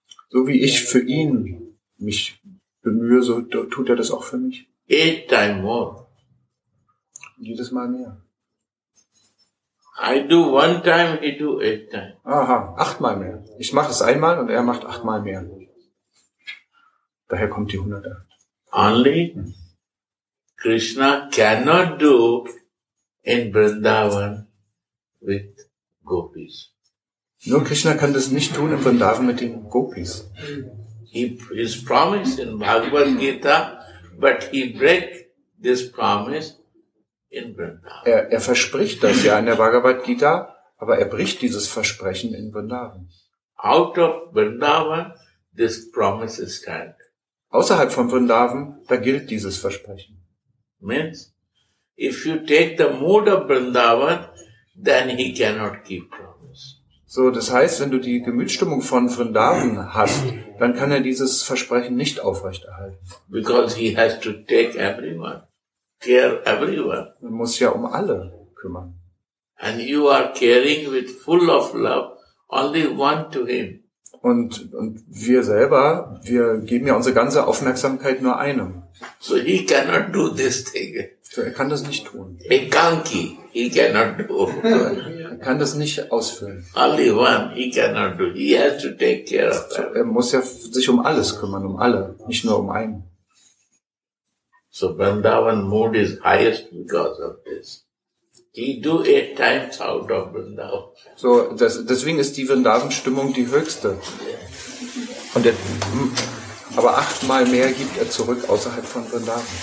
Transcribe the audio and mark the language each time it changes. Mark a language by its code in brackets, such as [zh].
[de] So wie ich für ihn mich bemühe, so tut er das auch für mich. [en] 8 times more. [de] Jedes Mal mehr. [en] I do 1 time, he do 8 times. [de] Aha, 8 mal mehr. Ich mache es einmal und er macht 8 mal mehr. Daher kommt die 108. [en] Only Krishna cannot do in Vrindavan with gopis. [de] Nur Krishna kann das nicht tun in Vrindavan mit den Gopis. [en] He is promised in Bhagavad Gita, but he breaks this promise in Vrindavan. [de] Er verspricht das ja in der Bhagavad Gita, aber er bricht dieses Versprechen in Vrindavan. [en] Out of Vrindavan, this promise is stand. [de] Außerhalb von Vrindavan, da gilt dieses Versprechen. [en] Means, if you take the mood of Vrindavan, then he cannot keep promise. [de] So, das heißt, wenn du die Gemütsstimmung von Vrindavan hast, dann kann er dieses Versprechen nicht aufrechterhalten. [en] Because he has to take everyone, care everyone. [de] Er muss ja um alle kümmern. [en] And you are caring with full of love, only one to him. [de] Und wir selber, wir geben ja unsere ganze Aufmerksamkeit nur einem. [en] So he cannot do this thing. [de] So er kann das nicht tun. [en] A kanki, he cannot do. [de] Er kann das nicht ausfüllen. [en] Only one, he cannot do. He has to take care of them. [de] Er muss ja sich um alles kümmern, um alle, nicht nur um einen. [en] So Vrindavan mood is highest because of this. He do 8 times out of Vrindavan. [de] So, deswegen ist die Vrindavan-Stimmung die höchste. Und er, aber 8-mal mehr gibt er zurück außerhalb von Vrindavan.